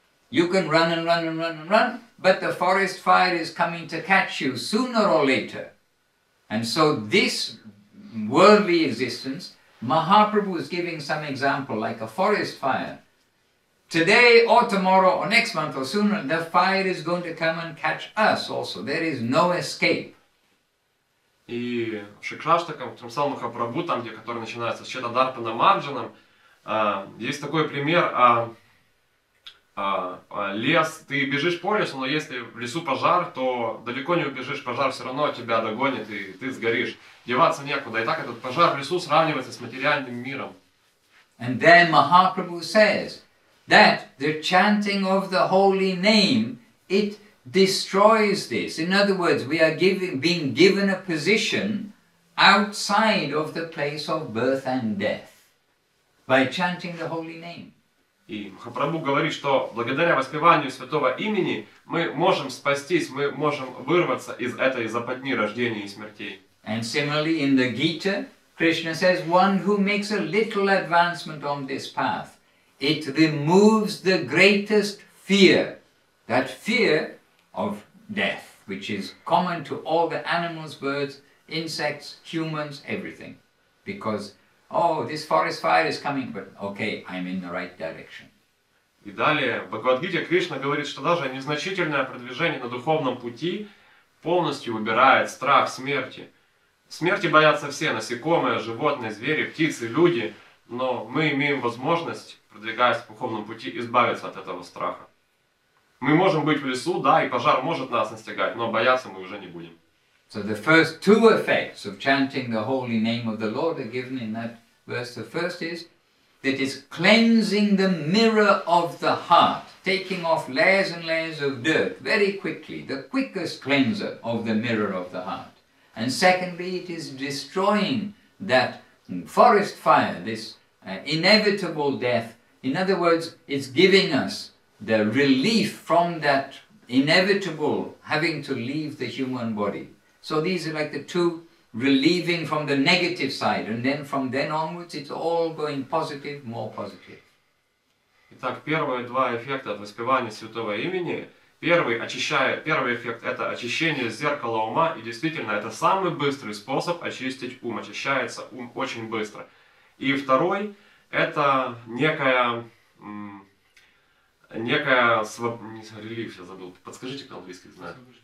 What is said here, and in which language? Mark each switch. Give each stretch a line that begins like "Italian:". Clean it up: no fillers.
English: You can run and run and run and run, but the forest fire is coming to catch you sooner or later. And so this worldly existence, Mahaprabhu is giving some example like a forest fire. Today or tomorrow or next month or sooner, the fire is going to come and catch us also. There is no escape.
Russian: И в Шикшаштакам, в том самом Махапрабху, там, где, который начинается с Чедадарта Намарджаном, есть такой пример, лес, ты бежишь по лесу, но если в лесу пожар, то далеко не убежишь, пожар все равно тебя догонит, и ты сгоришь. Деваться некуда. И так этот пожар в лесу сравнивается с материальным миром.
English: And then Mahaprabhu says that the chanting of the holy name, it destroys this. In other words, we are being given a position outside of the place of birth and death by chanting the holy name.
Russian: И Махапрабху говорит, что благодаря воспеванию святого имени мы можем спастись, мы можем вырваться из этой западни рождения и смертей.
English: And similarly in the Gita, Krishna says, one who makes a little advancement on this path, it removes the greatest fear, that fear of death, which is common to all the animals, birds, insects, humans, everything. Because, oh, this forest fire is coming, but okay, I'm in the right direction.
Russian: И далее, в Бхагавад-гите Кришна говорит, что даже незначительное продвижение на духовном пути полностью убирает страх смерти. Смерти боятся все, насекомые, животные, звери, птицы, люди, но мы имеем возможность, продвигаясь по духовному пути, избавиться от этого страха. Мы можем быть в лесу, да, и пожар может нас настигать, но бояться мы уже не будем.
English: So the first two effects of chanting the holy name of the Lord are given in that verse. The first is that it's cleansing the mirror of the heart, taking off layers and layers of dirt very quickly, the quickest cleanser of the mirror of the heart. And secondly, it is destroying that forest fire, this inevitable death. In other words, it's giving us the relief from that inevitable having to leave the human body. So these are like the two relieving from the negative side, and then from then onwards it's all going positive, more positive.
Russian: Итак, первые два эффекта от воспевания святого имени. Первый эффект — это очищение зеркала ума, и действительно это самый быстрый способ очистить ум, очищается ум очень быстро. И второй — это подскажите, кто английский знает?